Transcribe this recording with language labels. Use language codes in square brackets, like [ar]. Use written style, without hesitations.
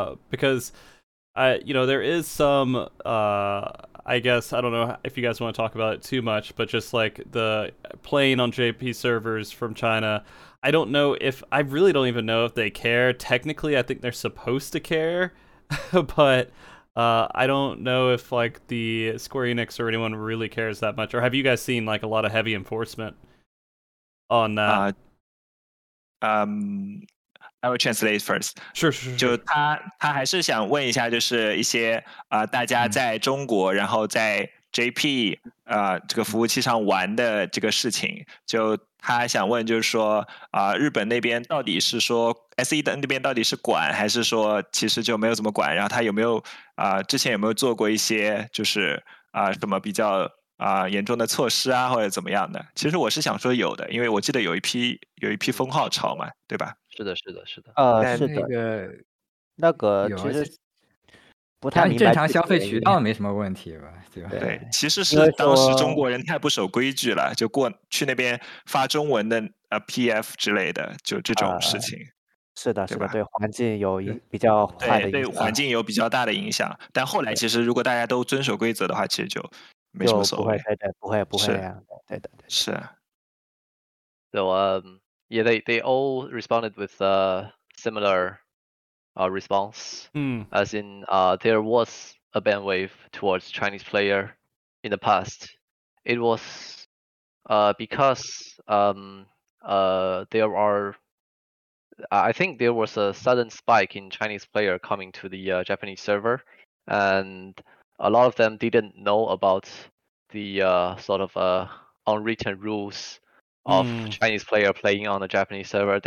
[en] Because I, you know, there is some, I guess, I don't know if you guys want to talk about it too much, but just like the playing on JP servers from China, I really don't even know if they care. Technically, I think they're supposed to care, but I don't know if like the Square Enix or anyone really cares that much. Or have you guys seen like a lot of heavy enforcement on that? I will translate first. [zh] 是。就他还是想问一下，就是一些大家在中国，然后在 JP 这个服务器上玩的这个事情。就他想问，就是说日本那边到底是说 SE 的那边到底是管，还是说其实就没有怎么管？然后他有没有之前有没有做过一些就是什么比较严重的措施啊，或者怎么样的？其实我是想说有的，因为我记得有一批封号潮嘛，对吧？是的，是的，是的。是的。那个其实不太明白，但正常消费渠道没什么问题吧？对吧？对，其实是当时中国人太不守规矩了，就过去那边发中文的PF 之类的，就这种事情。是的，是的，对环境有比较坏的影响。对环境有比较大的影响，但后来其实如果大家都遵守规则的话，其实就没什么所谓。不会那样的。对的，对的。是。 [en] So. Yeah, they all responded with a similar response. Mm. As in, there was a ban wave towards Chinese player in the past. It was because there was a sudden spike in Chinese player coming to the Japanese server, and a lot of them didn't know about the unwritten rules of Chinese player playing on the Japanese server.